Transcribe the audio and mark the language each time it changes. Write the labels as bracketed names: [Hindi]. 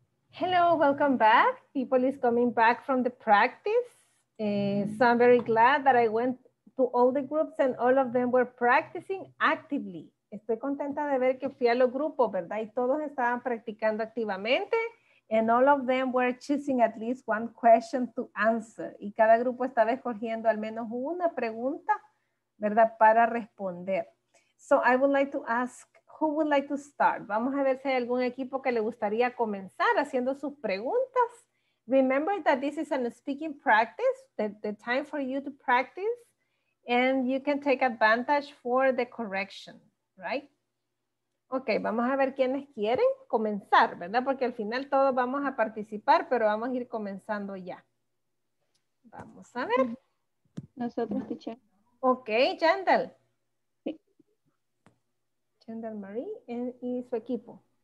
[English] Hello, welcome back. People is coming back from the practice. So I'm very glad that I went to all the groups and all of them were practicing actively. [Spanish] Estoy contenta de ver que fui a los grupos, ¿verdad? Y todos estaban practicando activamente. [English] And all of them were choosing at least one question to answer. [Spanish] Y cada grupo estaba escogiendo al menos una pregunta, ¿verdad? Para responder. [English] So I would like to ask, who would like to start? [Spanish] Vamos a ver si hay algún equipo que le gustaría comenzar haciendo sus preguntas. [English] Remember that this is a speaking practice, the time for you to practice, and you can take advantage for the correction, right? [Spanish] Ok, vamos a ver quiénes quieren comenzar, ¿verdad? Porque al final todos vamos a participar, pero vamos a ir comenzando ya. Vamos a ver. Nosotros, teacher. Ok, Jandal. Jandal Marie y su equipo.